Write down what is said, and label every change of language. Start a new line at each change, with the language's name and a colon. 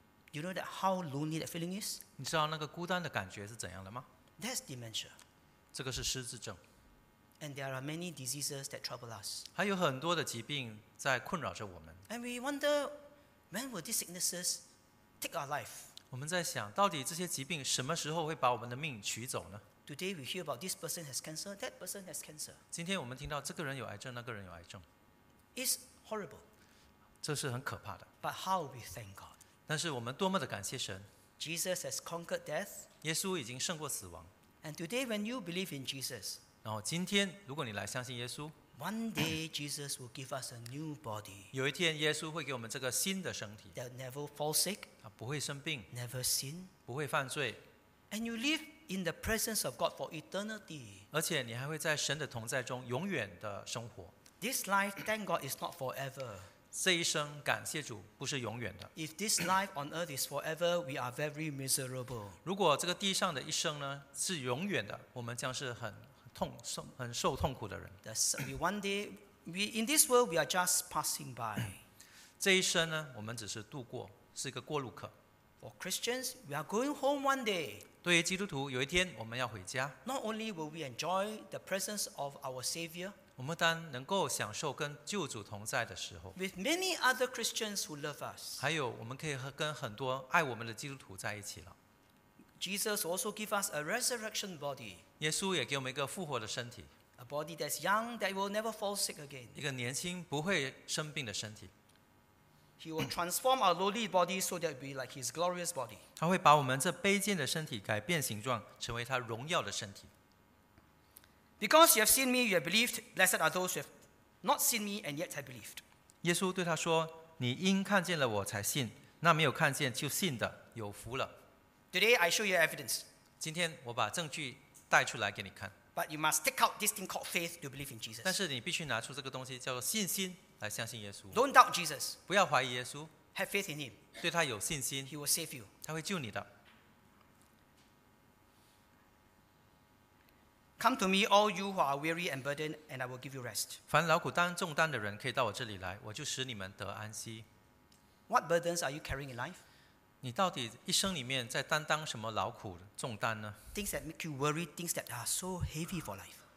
English: You know that how lonely that feeling is?
Chinese: 你知道那个孤单的感觉是怎样的吗？
English: That's dementia.
Chinese: 这个是失智症。
English: And there are many diseases that trouble us.
Chinese: 还有很多的疾病在困扰着我们。
English: And we wonder, when will these sicknesses take our life?
Chinese: 我们在想，到底这些疾病什么时候会把我们的命取走呢？
English: Today we hear about this person has cancer, that person has cancer.
Chinese: 今天我们听到这个人有癌症，那个人有癌症。
English: It's horrible.
Chinese: 这是很可怕的。
English: But how we thank God.
Chinese: 但是我们多么的感谢神。
English: Jesus has conquered death.
Chinese: 耶稣已经胜过死亡。
English: And today when you believe in Jesus,
Chinese: 然后今天如果你来相信耶稣，
English: One day Jesus will give us a new body.
Chinese: 有一天耶稣会给我们这个新的身体。
English: That never fall sick.
Chinese: 不会生病，
English: Never sin,
Chinese: 不会犯罪，
English: and you live in the presence of God for eternity.
Chinese: 而且你还会在神的同在中永远的生活。
English: This life, thank God, is not forever.
Chinese: 这一生感谢主不是永远的。
English: If this life on earth is forever, we are very miserable.
Chinese: 如果这个地上的一生呢是永远的，我们将是很受痛苦的人。
English: One day, in this world, we are just passing by.
Chinese: 这一生呢，我们只是度过，是一个过路客。
English: For Christians, we are going home one day.
Chinese: 对于基督徒，有一天我们要回家。
English: Not only will we enjoy the presence of our Savior,
Chinese: 我们当能够享受跟救主同在的时候，
English: with many other Christians who love us,
Chinese: 还有我们可以跟很多爱我们的基督徒在一起了。
English: Jesus also gives us a resurrection body.
Chinese: 耶稣也给我们一个复活的身体。
English: A body that's young, that will never fall sick again.
Chinese: 一个年轻不会生病的身体。
English: He will transform our lowly body so that we like His glorious body.
Chinese: 他会把我们这卑贱的身体改变形状，成为他荣耀的身体。
English: Because you have seen me, you have believed. Blessed are those who have not seen me and yet have believed.
Chinese: 耶稣对他说：“你因看见了我才信，那没有看见就信的，有福了。”
English: Today I show you evidence.
Chinese: 今天我把证据带出来给你看。
English: But you must take out this thing called faith to believe in Jesus.
Chinese: 但是你必须拿出这个东西叫做信心。来相信耶稣。
English: Don't doubt Jesus.
Chinese: 不要怀疑耶稣。
English: Have faith in him.
Chinese: 对他有信心。
English: He will save you.
Chinese: 他会救你的。
English: Come to me, all you who are weary and burdened, and I will give you rest.
Chinese: 凡劳苦担重担的人可以到我这里来，我就使你们得安息。
English: What burdens are you carrying in life?
Chinese: 你到底一生里面在担当什么劳苦重担呢？
English: Things that make you worry, things that are so heavy for life.